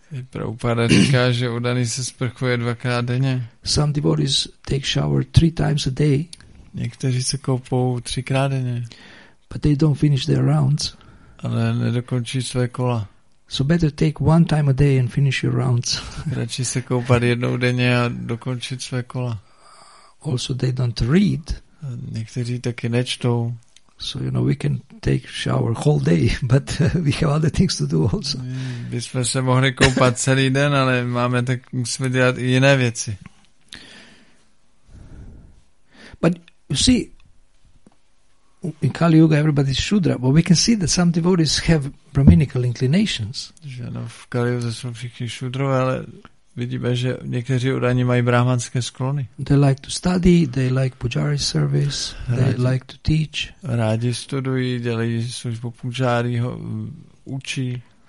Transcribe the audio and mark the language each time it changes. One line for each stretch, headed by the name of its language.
Czech: Prabhupada říká, že udaný se sprchuje dvakrát denně.
English: Some devotees take shower three times a day.
Czech: Někteří se koupou třikrát denně.
English: But they don't finish their rounds.
Czech: Ale nedokončí své kola.
English: So better take one time a day and finish your rounds.
Czech: Radši se koupat jednou denně a dokončit své kola.
English: Also they don't read.
Czech: Někteří taky nečtou.
English: So you know we can take shower whole day, but we have other things to do also.
Czech: Bychom se mohli koupat celý den, ale máme tak musíme dělat i jiné věci.
English: But you see, in Kali Yuga everybody is Shudra, but we can see that some devotees have Brahminical inclinations.
Czech: Že no, v Kali Yuga jsou všichni Shudrové, ale vidíme, že někteří udaní mají brahmanské sklony.
English: They like to study, they like pujari service, they
Czech: rádi,
English: like to teach.
Czech: Rádi studují, dělají službu pujari, učí.